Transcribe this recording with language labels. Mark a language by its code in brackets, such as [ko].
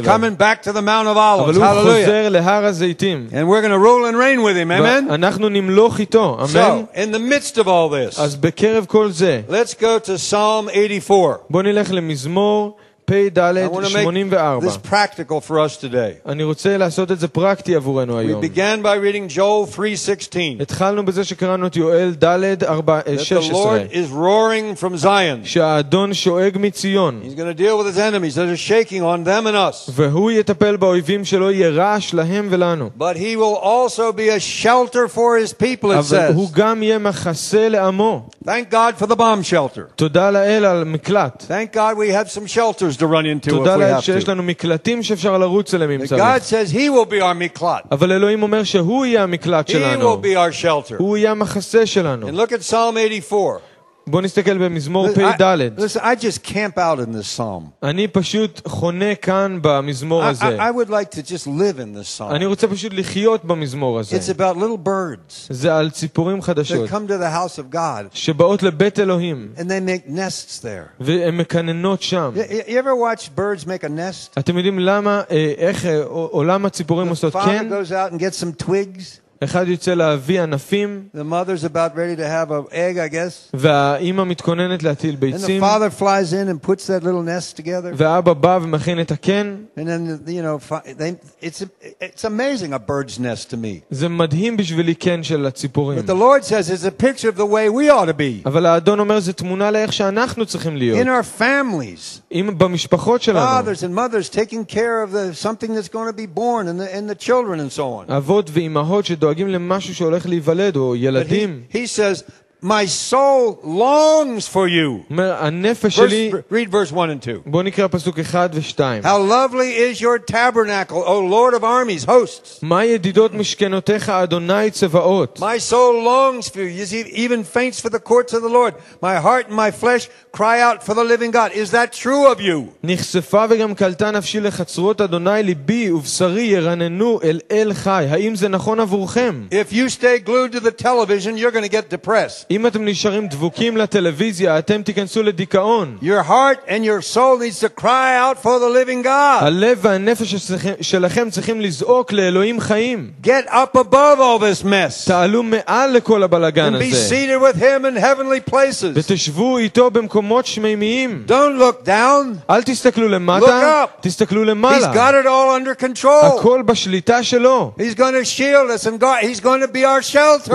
[en] he's coming back to the mount of olives [he] אבל [en] hallelujah [he] הוא חוזר להר הזיתים [en] and we're going to rule and reign with him amen [he] אנחנו נמלוך איתו אמן [en] so in the midst of all this [he] אז בקרב כל זה [en] let's go to Psalm 84. [he] בוא נלך למזמור פ"ד 84. [en] This practical for us today. [he] אני רוצה לעשות את זה פרקטי עבורנו היום. [en] We began by reading Joel 3:16. [he] התחלנו בזה שקראנו את יואל ד 4:16. [en] The Lord is roaring from Zion. [he] שהאדון שואג מציון. [en] He's going to deal with his enemies that are shaking on them and us. [he] והוא יטפל באויבים שלו ירעש להם ולנו. [en] But he will also be a shelter for his people, it says. [he] אבל הוא גם יהיה מחסה לעמו. [en] Thank God for the bomb shelter. [he] תודה לאל על מקלט. [en] Thank God we have some shelter. To run into if we have [he] יש לנו מקלטים שאפשר לרוץ אליהם [en] צריך God says he will be our miklat [he] אבל אלוהים אומר שהוא יהיה המקלט שלנו [en] he will be our shelter [he] הוא יהיה המחסה שלנו [en] and look at Psalm 84 [he] בוא נסתכל במזמור פ"ד. [en] Listen, I just camp out in this psalm. [he] אני פשוט חונה כאן במזמור הזה. [en] I would like to just live in this psalm. [he] אני רוצה פשוט לחיות במזמור הזה. [en] It's about little birds. [he] זה על ציפורים חדשות. [en] They come to the house of God. [he] שבאות לבית אלוהים. [en] And they make nests there. [he] והם מקננות שם. [en] You ever watch birds make a nest? [he] אתם יודעים למה איך עולם הציפורים עושות כן? [en] The father goes out and gets some twigs. [he] אחד יוצא להביא ענפים [en] the mother's about ready to have an egg I guess [he] והאמא מתכוננת להטיל ביצים [en] and the father flies in and puts that little nest together [he] ואבא בא ומכין את הקן [en] and then you know it's amazing a bird's nest to me [he] זה מדהים בשבילי קן של הציפורים [en] but the lord says it's a picture of the way we ought to be [he] אבל האדון אומר זה תמונה לאיך שאנחנו צריכים להיות [en] in our families [he] אם במשפחות שלנו [en] fathers and mothers taking care of the something that's going to be born and the children and so on [he] אבות ואימהות דואגים למשהו שהולך להיוולד או ילדים [en] he says my soul longs for you [he] הנפש שלי [en] read verse 1 and 2 [he] בוא נקרא פסוק 1 ו-2 [en] how lovely is your tabernacle o lord of armies hosts [he] מה ידידות משכנותיך אדוני צבאות [en] my soul longs for you even faints for the courts of the lord my heart and my flesh cry out for the living god is that true of you [he] נחשפה וגם קלטה נפשי לחצרות אדוני ליבי ובשרי ירננו אל אל חי האם זה נכון עבורכם [en] if you stay glued to the television you're going to get depressed [he] אם אתם נשארים דבוקים לטלוויזיה אתם תיכנסו לדיכאון [en] your heart and your soul needs to cry out for the living god [he] הלב והנפש שלכם צריכים לזעוק לאלוהים חיים [en] get up above all this mess [he] תעלו מעל לכל הבלגן הזה [en] be seated with him in heavenly places [he] ותשבו איתו במקומות שמימיים [en] don't look down [he] אל תסתכלו למטה תסתכלו למעלה [en] he's got it all under control [he] הכל בשליטה שלו [en] he's going to shield us and god he's going to be our shelter